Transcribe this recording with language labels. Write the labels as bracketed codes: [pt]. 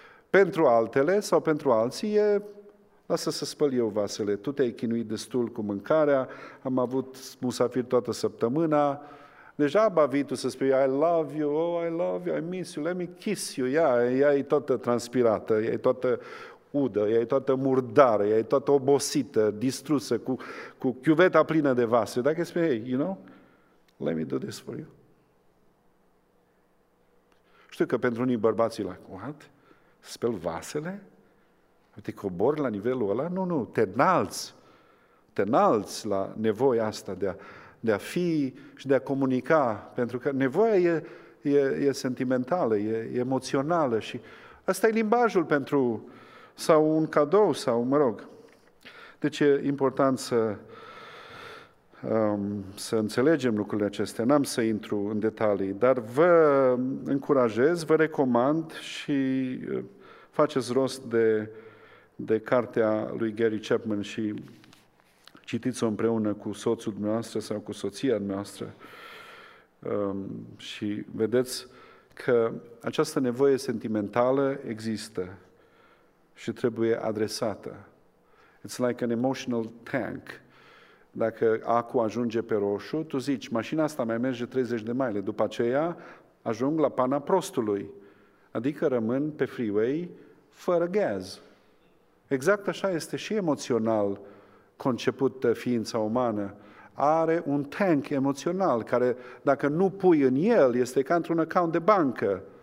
[ro] Pentru altele sau pentru alții e... Lasă să spăl eu vasele, tu te-ai chinuit destul cu mâncarea, am avut musafiri toată săptămâna... [en] Deja deci, vii tu să spui, I love you, oh, I love you, I miss you, let me kiss you. [ro] Ea e toată transpirată, ea e toată udă, ea e toată murdară, ea e toată obosită, distrusă, cu chiuveta plină de vase. [en] Dacă spui, hey, you know, let me do this for you. [ro] Știu că pentru unii bărbații, like, what? Spăl vasele? Te cobori la nivelul ăla? Nu, te înalți la nevoia asta de a fi și de a comunica, pentru că nevoia e sentimentală, e emoțională și ăsta e limbajul pentru, sau un cadou, sau mă rog. Deci e important să înțelegem lucrurile acestea, n-am să intru în detalii, dar vă încurajez, vă recomand și faceți rost de cartea lui Gary Chapman și citiți-o împreună cu soțul dumneavoastră sau cu soția dumneavoastră și vedeți că această nevoie sentimentală există și trebuie adresată. [en] It's like an emotional tank. [ro] Dacă acul ajunge pe roșu, tu zici, mașina asta mai merge 30 de mile, după aceea ajung la pana prostului, adică rămân pe freeway fără gaz. Exact așa este și emoțional concepută ființa umană, are un tank emoțional care, dacă nu pui în el, este ca într-un account de bancă.